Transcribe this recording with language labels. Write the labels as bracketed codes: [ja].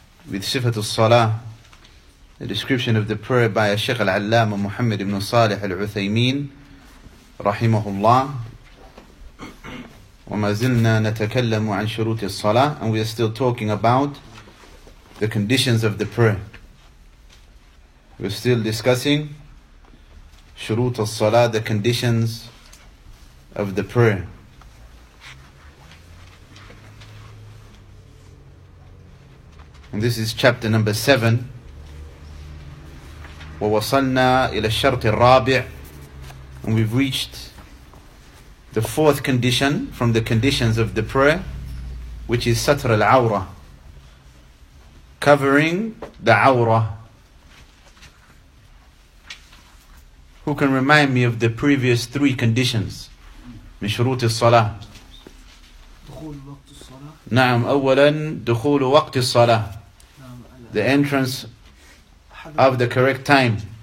[en] with صفة الصلاة the description of the prayer by [ar] الشيخ العلامة محمد بن صالح العثيمين رحمه الله وما زلنا نتكلم عن شروط الصلاة [en] and we are still talking about the conditions of the prayer. We're still discussing شروط الصلاة, the conditions of the prayer. And this is chapter number 7. [ar] ووصلنا إلى الشرط الرابع. [en] And we've reached the fourth condition from the conditions of the prayer, which is Satr al-Awrah, covering the Awrah. Who can remind me of the previous three conditions? [ar] من شروط الصلاة. دخول وقت الصلاة. نعم أولا دخول وقت الصلاة. [en] The entrance of the correct time.